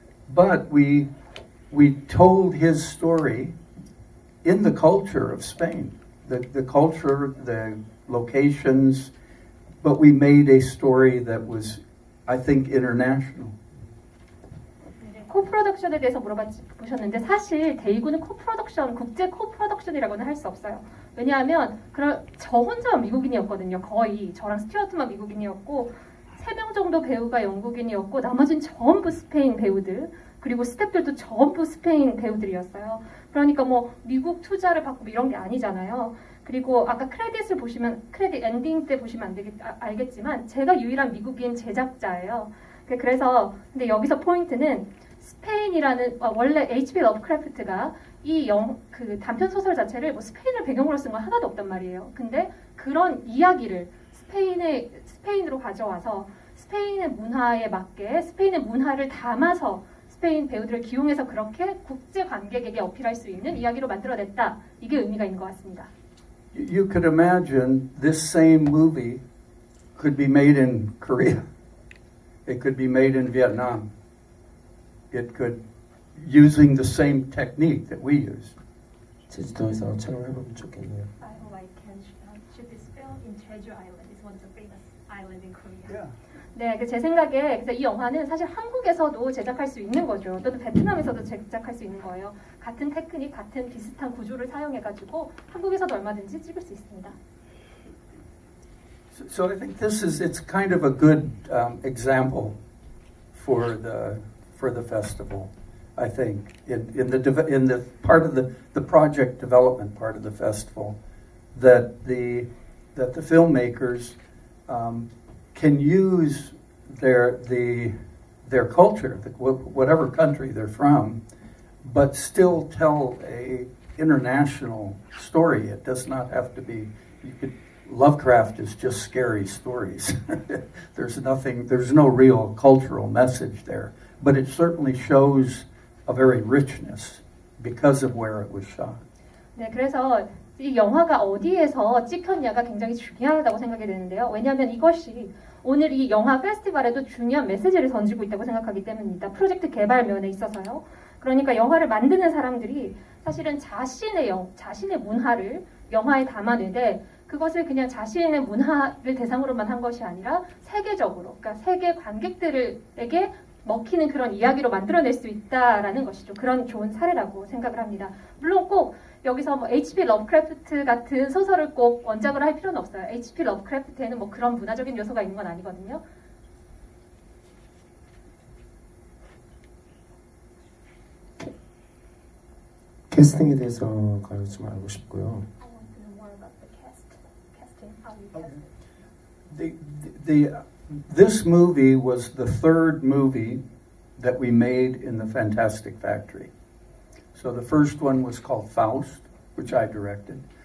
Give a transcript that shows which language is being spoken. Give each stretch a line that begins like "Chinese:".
English: But we told his story in the culture of Spain, the culture, the locations, but we made a story that was, I think, international.
Korean: 코프로덕션에 대해서 물어보셨는데 사실 대이구는 코프로덕션, 국제 코프로덕션이라고는 할 수 없어요. 왜냐하면 저 혼자만 미국인이었거든요. 거의 저랑 스튜어트만 미국인이었고 3명 정도 배우가 영국인이었고 나머지는 전부 스페인 배우들 그리고 스태프들도 전부 스페인 배우들이었어요. 그러니까 뭐 미국 투자를 받고 이런 게 아니잖아요. 그리고 아까 크레딧을 보시면 크레딧 엔딩 때 보시면 알겠지만 제가 유일한 미국인 제작자예요. 그래서 근데 여기서 포인트는 스페인이라는 원래 H.P. 러브크래프트가 그 단편 소설 자체를 뭐 스페인을 배경으로 쓴 건 하나도 없단 말이에요. 근데 그런 이야기를 스페인으로 가져와서 스페인의 문화에 맞게 스페인의 문화를 담아서 스페인 배우들을 기용해서 그렇게 국제 관객에게 어필할 수 있는 이야기로 만들어냈다. 이게 의미가 있는 것 같습니다.
English: You could imagine this same movie could be made in Korea. It could be made in Vietnam. It could, using the same technique that we use.
Korean: 제주도에서 촬영을 해보면 좋겠네요.
English: I hope I can. Should this film in Jeju Island? It's one of the famous island in Korea. Yeah.
Korean: 네, 제 생각에 이 영화는 사실 한국에서도 제작할 수 있는 거죠. 또는 베트남에서도 제작할 수 있는 거예요. 같은 테크닉, 같은 비슷한 구조를 사용해가지고 한국에서도 얼마든지 찍을 수 있습니다.
English: So I think this is, it's kind of a good example for the festival, I think, in the part of the project development part of the festival, that the filmmakers can use their culture, whatever country they're from, but still tell a international story. It does not have to be, Lovecraft is just scary stories. there's no real cultural message there. But it certainly shows a very richness because of where it was shot.
Korean: 네, 그래서 이 영화가 어디에서 찍혔냐가 굉장히 중요하다고 생각이 되는데요. 왜냐하면 이것이 오늘 이 영화 페스티벌에도 중요한 메시지를 던지고 있다고 생각하기 때문입니다. 프로젝트 개발 면에 있어서요. 그러니까 영화를 만드는 사람들이 사실은 자신의 문화를 영화에 담아내되 그것을 그냥 자신의 문화를 대상으로만 한 것이 아니라 세계적으로, 그러니까 세계 관객들에게 먹히는 그런 이야기로 만들어낼 수 있다라는 것이죠. 그런 좋은 사례라고 생각을 합니다. 물론 꼭 여기서 뭐 H.P. 러브크래프트 같은 소설을 꼭 원작으로 할 필요는 없어요. H.P. 러브크래프트에는 뭐 그런 문화적인 요소가 있는 건 아니거든요. 캐스팅에 대해서 좀 알고 싶고요.
English: I want to know more about the casting. How you casting? This movie was the third movie that we made in the Fantastic Factory. So the first one was called Faust, which I directed.